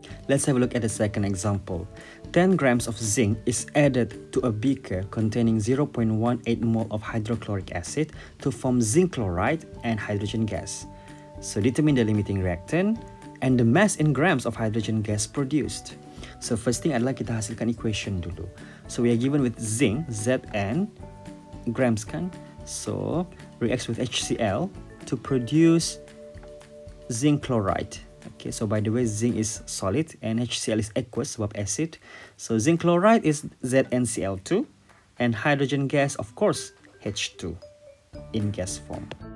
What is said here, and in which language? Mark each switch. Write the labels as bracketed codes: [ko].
[en] Let's have a look at the second example. 10 grams of zinc is added to a beaker containing 0.18 mole of hydrochloric acid to form zinc chloride and hydrogen gas. So determine the limiting reactant and the mass in grams of hydrogen gas produced. So first thing [ms] adalah kita hasilkan equation dulu. [en] So we are given with zinc, Zn, grams [ms] kan? [en] So reacts with HCl to produce zinc chloride. Okay, so by the way, zinc is solid and HCl is aqueous, [ms] sebab [en] acid. So zinc chloride is ZnCl2 and hydrogen gas, of course, H2 in gas form.